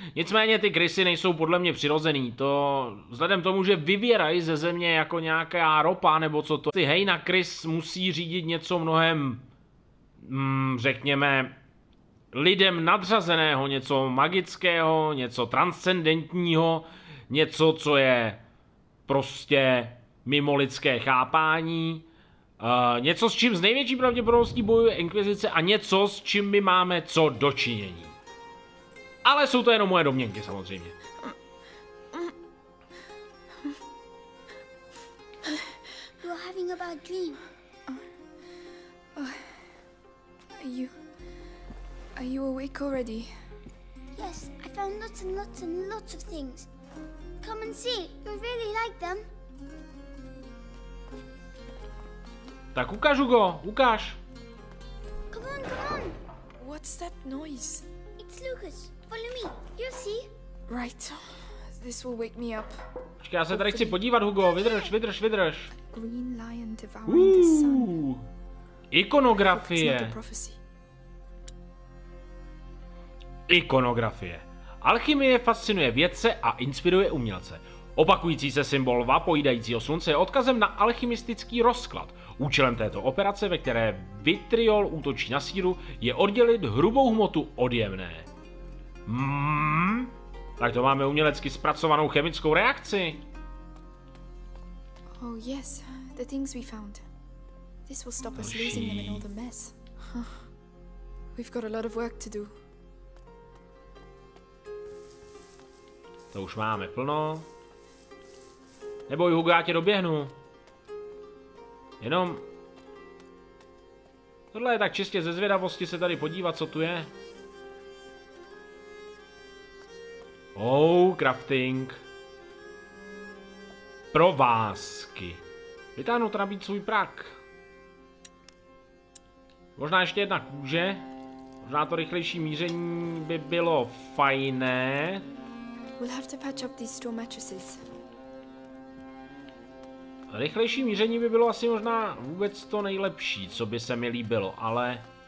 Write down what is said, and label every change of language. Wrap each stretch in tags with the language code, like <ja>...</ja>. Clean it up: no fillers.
<cs>Nicméně ty krysy nejsou podle mě přirozený. To vzhledem tomu, že vyvírají ze země jako nějaká ropa nebo co to, ty hejna krys musí řídit něco mnohem, řekněme, lidem nadřazeného, něco magického, něco transcendentního, něco, co je prostě mimo lidské chápání, něco, s čím z největší pravděpodobností bojuje inkvizice a něco, s čím my máme co dočinění. Ale jsou to jenom moje domněnky, samozřejmě.</cs> <en>You're having a bad dream. Are you awake already? Yes, I found lots and lots and lots of things. Come and see, you really like them.</en> <cs>Tak ukáž, Hugo, ukáž.</cs> <en>Come on, come on. What's that noise? It's Lucas, follow me, you'll see. Right, this will wake me up.</en> <cs>Počkej, já se tady chci podívat, Hugo, vydrž, vydrž, vydrž.</cs> <en>A green lion devouring the sun.</en> <cs>Ikonografie. Ikonografie. Alchymie fascinuje vědce a inspiruje umělce. Opakující se symbol Va pojídajícího slunce je odkazem na alchymistický rozklad. Účelem této operace, ve které vitriol útočí na síru, je oddělit hrubou hmotu od jemné. Tak to máme umělecky zpracovanou chemickou reakci.</cs> <en>Oh yes, the things we found. This will stop us losing them in all the mess. We've got a lot of work to do.</en> <cs>To už máme plno. Neboj, Hugo, já tě doběhnu. Jenom... Tohle je tak čistě ze zvědavosti se tady podívat, co tu je.</cs> <en>Oh, crafting.</en> <cs>provázky. Vytáhnout rabicový prak. Možná ještě jedna kůže. Možná to rychlejší míření by bylo fajné.</cs> <en>We'll have to patch up these straw mattresses.</en> <cs>Rychlejší míření by bylo asi možná vůbec to nejlepší, co by se mi líbilo, ale...</cs>